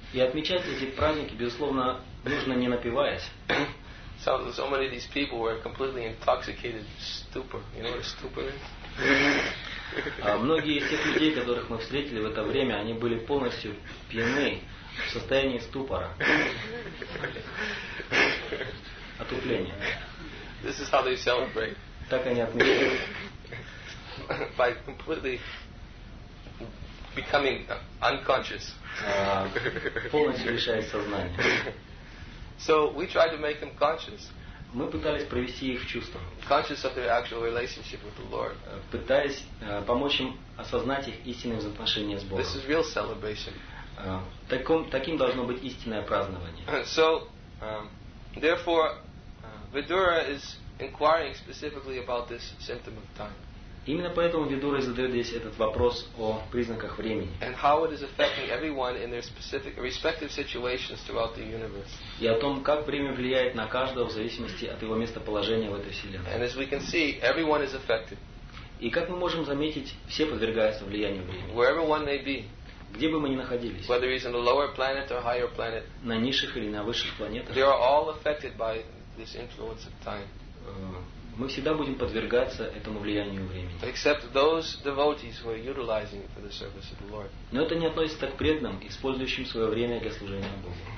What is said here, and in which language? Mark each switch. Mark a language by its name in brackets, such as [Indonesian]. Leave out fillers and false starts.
[Russian] И отмечать эти праздники, безусловно, нужно не напиваясь. [English] So many of these people were completely intoxicated stupor. You know what stupor is? [Russian] Многие из тех людей, которых мы встретили в это время, они были полностью пьяны. В состоянии ступора. Отупления. [English] This is how they celebrate. [Russian] Так они отмечают. [English] By completely becoming unconscious. [Russian] Полностью лишаясь сознания. [English] So we try to make them conscious. [Russian] Мы пытались привести их в чувство. [English] Conscious of their actual relationship with the Lord. [Russian] Пытались помочь им осознать их истинные взаимоотношения с Богом. [English] This is real celebration. [Russian] Таким должно быть истинное празднование. [English] So, therefore, Vidura is inquiring specifically about this symptom of time. [Russian] Именно поэтому Видура задает здесь этот вопрос о признаках времени. [English] And how it is affecting everyone in their specific, respective situations throughout the universe. [Russian] И о том, как время влияет на каждого в зависимости от его местоположения в этой вселенной. [English] And as we can see, everyone is affected. [Russian] И как мы можем заметить, все подвергаются влиянию времени. [English] Wherever one may be. [Russian] Где бы мы ни находились, [English] whether he's on the lower planet or higher planet, [Russian] на низших или на высших планетах, [English] they are all affected by this influence of time. [Russian] Мы всегда будем подвергаться этому влиянию времени. [English] Except those devotees who are utilizing it for the service of the Lord. [Russian] Но это не относится к преданным, использующим свое время для служения Богу.